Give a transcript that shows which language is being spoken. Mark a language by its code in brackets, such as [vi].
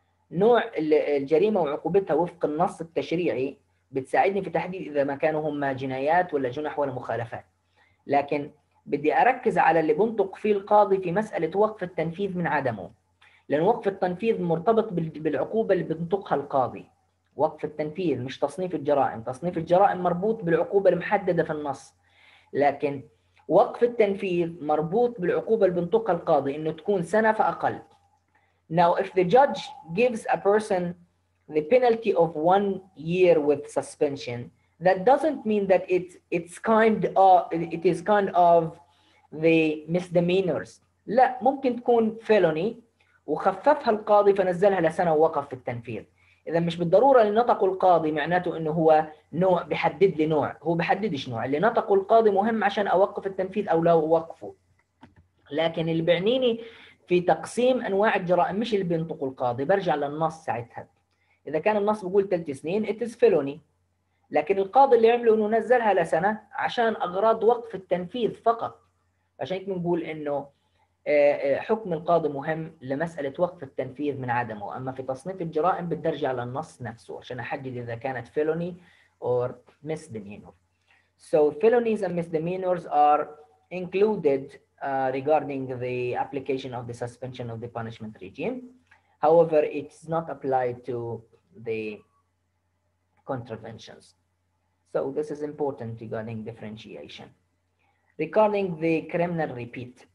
[ar] نوع الجريمه وعقوبتها وفق النص التشريعي بتساعدني في تحديد اذا ما كانوا هم جنايات ولا جنح ولا مخالفات, لكن بدي اركز على اللي بنطق فيه القاضي في مساله وقف التنفيذ من عدمه, لان وقف التنفيذ مرتبط بالعقوبه اللي بنطقها القاضي. وقف التنفيذ مش تصنيف الجرائم, تصنيف الجرائم مربوط بالعقوبه المحدده في النص, لكن وقف التنفيذ مربوط بالعقوبه اللي بنطقها القاضي انه تكون سنه فاقل. [en] Now if the judge gives a person the penalty of 1 year with suspension, that doesn't mean that it is kind of the misdemeanors. [ar] لا, ممكن تكون felony وخففها القاضي فنزلها لسنة ووقف في التنفيذ. إذا مش بالضرورة اللي نطق القاضي معناته إنه هو نوع بحدد لي نوع, هو بحددش نوع, اللي نطق القاضي مهم عشان أوقف التنفيذ أو لا أوقفه. لكن اللي بعنيني في تقسيم أنواع الجرائم مش اللي بينطق القاضي, برجع للنص ساعتها. إذا كان النص بيقول 3 سنين [en] it is felony, [ar] لكن القاضي اللي عمله انه نزلها لسنه عشان اغراض وقف التنفيذ فقط. عشان هيك بنقول انه حكم القاضي مهم لمساله وقف التنفيذ من عدمه, اما في تصنيف الجرائم بدي ارجع للنص نفسه عشان احدد اذا كانت [en] felony or misdemeanor. So felonies and misdemeanors are included regarding the application of the suspension of the punishment regime. However, it's not applied to the contraventions. So this is important regarding differentiation. Regarding the criminal repeat.